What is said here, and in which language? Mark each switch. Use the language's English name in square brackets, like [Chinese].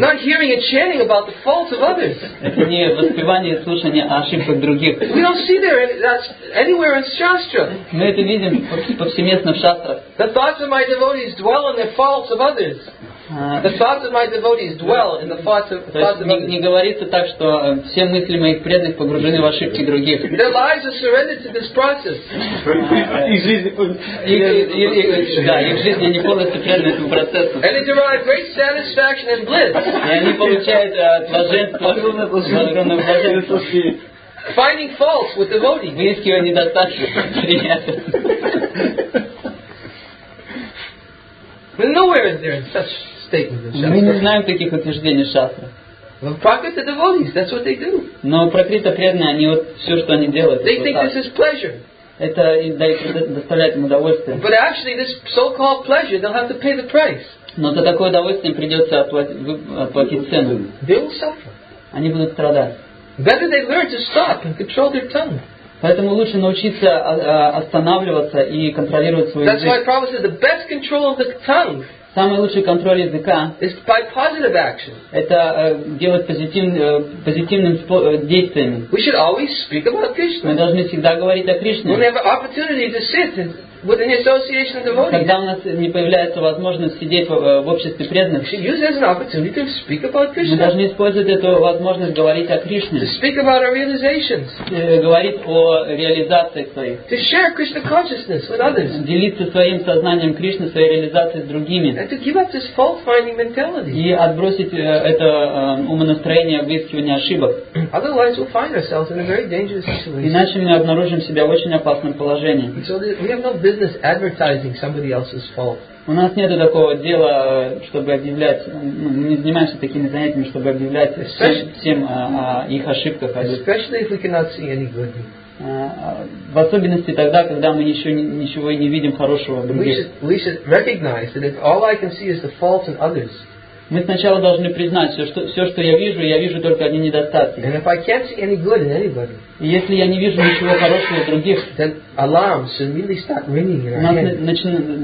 [English] Not hearing and chanting about the faults of others. [Russian] Это не воспевание и слушание о ошибках других. [English] We don't see there anywhere in Shastra. [Russian] Мы это видим повсеместно в шастрах. [English] The thoughts of my devotees dwell in the faults of others. The thoughts of my devotees dwell in the thoughts of others. [Russian] То есть не говорится так, что все мысли моих преданных погружены в ошибки других. [English] Their lives are surrendered to this process. [Russian] Их жизни они полностью преданы этому процессу. [English] And they derive great satisfaction and bliss. [Russian] И они получают блаженство. [English] Finding faults with devotees. [Russian] Выискивая недостатки. [English] Nowhere is there such. [Russian] Мы не знаем таких утверждений шастры. Но Prakriti преданные, они вот все, что они делают. [English] They think this is pleasure. [Russian] Это доставляет им удовольствие. [English] But actually, this so-called pleasure, they'll have to pay the price. [Russian] Но за такое удовольствие им придется оплатить цену. [English] They will suffer. [Russian] Они будут страдать. [English] Better they learn to stop and control their tongue. [Russian] Поэтому лучше научиться останавливаться и контролировать свой язык. [English] That's why Prabhupada says the best control of the tongue. [Russian] Самый лучший контроль языка [English] is by positive action. [Russian] Это делать позитивным действиями. [English] We should always speak about Krishna. [Russian] Мы должны всегда говорить о Кришне. [English] When we have an opportunity to sit with an association of devotees. [Russian] Когда у нас не появляется возможность сидеть в обществе преданных, [English] we should use it as an opportunity to speak about Krishna. [Russian] Мы должны использовать эту возможность говорить о Кришне. [English] To speak about our realizations. [Russian] Говорить о реализации своей. [English] To share Krishna consciousness with others. [Russian] Делиться своим сознанием Кришны, своей реализацией с другими. [English] And to give up this fault-finding mentality. [Russian] И отбросить это умонастроение выискивания ошибок. [English] Otherwise, we'll find ourselves in a very dangerous situation. [Russian] Иначе мы обнаружим себя в очень опасном положении. [English] And so we have no business advertising somebody else's fault. [Russian] У нас нет такого дела, чтобы объявлять. Мы не занимаемся такими занятиями, чтобы объявлять всем о их ошибках. [English] Especially if we cannot see any good. [Russian] В особенности тогда, когда мы еще ничего и не видим хорошего в других. [English] We should recognize that if all I can see is the faults in others. [Russian] Мы сначала должны признать, все, что я вижу только одни недостатки. [English] And if I can't see any good in anybody. [Russian] И если я не вижу ничего хорошего в других, [English] then alarms should immediately start ringing in our head.